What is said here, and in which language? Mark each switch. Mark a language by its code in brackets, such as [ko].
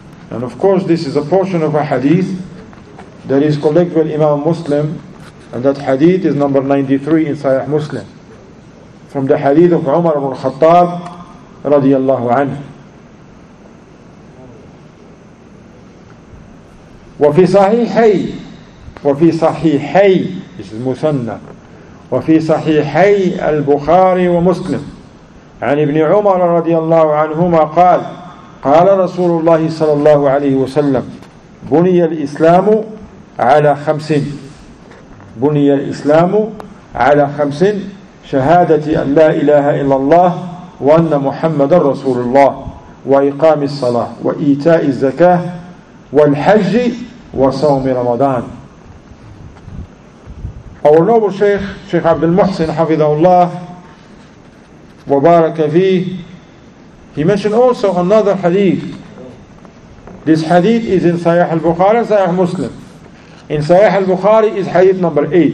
[en] And of course, this is a portion of a hadith that is collected with Imam Muslim, and that hadith is number 93 in Sahih Muslim, from the hadith of Umar ibn Khattab radiallahu anhu. [ar] وفي صحيحي, وفي صحيحي, [en] this is Musanna, [ar] وفي صحيحي البخاري ومسلم عن ابن عمر radiallahu anhu ما قال قال رسول الله صلى الله عليه وسلم بني الإسلام على خمس, بني الإسلام على خمس, شهادة أن لا إله إلا الله وأن محمد رسول الله وإقام الصلاة وإيتاء الزكاة والحج وصوم رمضان. [en] Our noble Sheikh, Sheikh Abdul Muhsin, Hafidhahullah, wa baraka fih, he mentioned also another hadith. This hadith is in Sahih al-Bukhari and Sahih Muslim. In Sahih al-Bukhari is hadith number 8.